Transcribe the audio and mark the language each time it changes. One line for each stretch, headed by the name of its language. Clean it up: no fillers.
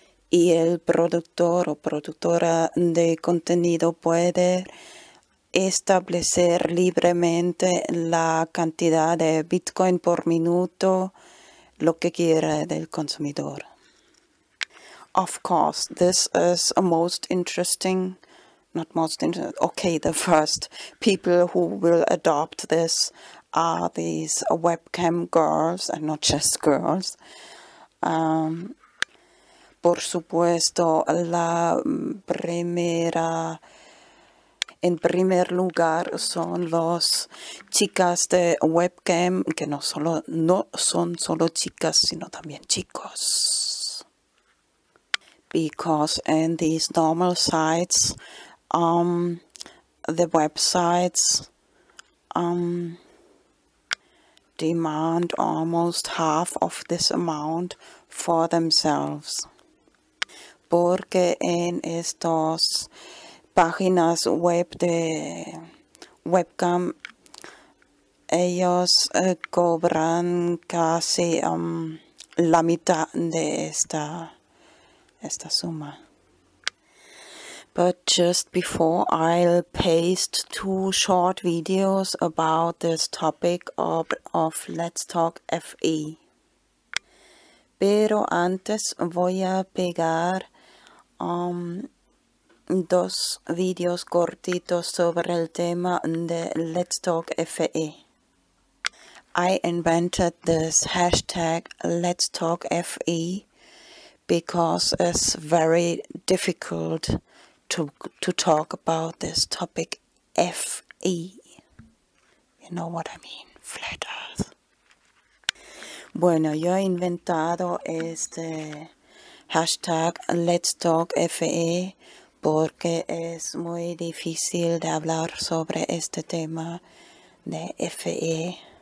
Spanish: Y el productor o productora de contenido puede establecer libremente la cantidad de Bitcoin por minuto, lo que quiera del consumidor.
English: Of course, this is a most interesting, not most interesting, okay, the first people who will adopt this are these webcam girls, and not just girls.
Spanish: Por supuesto, la primera, en primer lugar, son los chicas de webcam, que no solo, no son solo chicas, sino también chicos.
English: Because in these normal sites, the websites demand almost half of this amount for themselves.
Spanish: Porque en estas páginas web de webcam, ellos cobran casi la mitad de esta suma.
English: But just before, I'll paste two short videos about this topic of Let's Talk FE.
Spanish: Pero antes voy a pegar dos videos cortitos sobre el tema de Let's Talk FE.
English: I invented this hashtag Let's Talk FE because it's very difficult to talk about this topic FE. You know what I mean? Flat Earth.
Spanish: Bueno, yo he inventado este hashtag Let's Talk FE porque es muy difícil de hablar sobre este tema de FE.